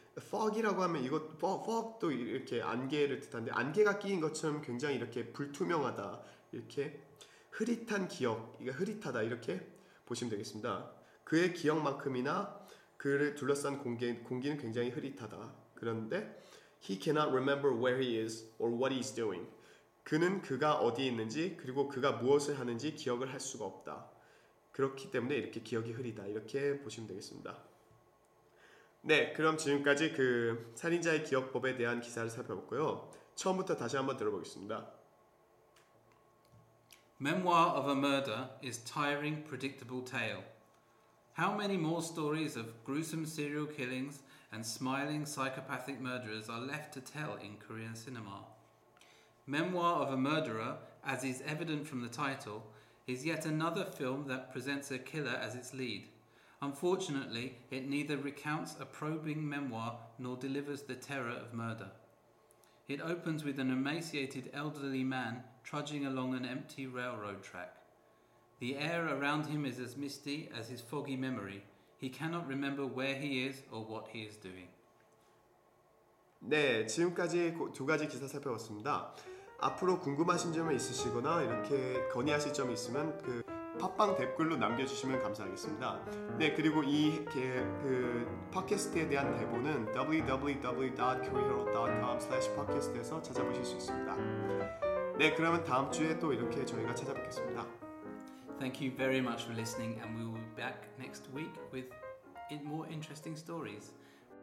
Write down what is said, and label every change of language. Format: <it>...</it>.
<ko>Fog이라고 하면 이거 fog도 이렇게 안개를 뜻하는데 안개가 끼인 것처럼 굉장히 이렇게 불투명하다 이렇게 흐릿한 기억 이거 흐릿하다 이렇게. 보시면 되겠습니다. 그의 기억만큼이나 그를 둘러싼 공기는 굉장히 흐릿하다. 그런데</ko> <en>he cannot remember where he is or what he's doing.</en> <ko>그는 그가 어디에 있는지 그리고 그가 무엇을 하는지 기억을 할 수가 없다. 그렇기 때문에 이렇게 기억이 흐리다. 이렇게 보시면 되겠습니다. 네, 그럼 지금까지 그 살인자의 기억법에 대한 기사를 살펴봤고요. 처음부터 다시 한번 들어보겠습니다.</ko> <en>Memoir of a Murder is tiring, predictable tale. How many more stories of gruesome serial killings and smiling psychopathic murderers are left to tell in Korean cinema? Memoir of a Murderer, as is evident from the title, is yet another film that presents a killer as its lead. Unfortunately, it neither recounts a probing memoir nor delivers the terror of murder. It opens with an emaciated elderly man trudging along an empty railroad track. The air around him is as misty as his foggy memory. He cannot remember where he is or what he is doing.</en> <ko>네, 지금까지 두 가지 기사 살펴봤습니다. 앞으로 궁금하신 점이 있으시거나 이렇게 건의하실 점이 있으면 그 팟빵 댓글로 남겨주시면 감사하겠습니다. 네, 그리고 이 그 팟캐스트에 대한 대본은 www.careerhero.com/podcast에서 찾아보실 수 있습니다. 네, 그러면 다음 주에 또 이렇게 저희가 찾아뵙겠습니다.</ko> <en>Thank you very much for listening, and we will be back next week with more interesting stories.</en>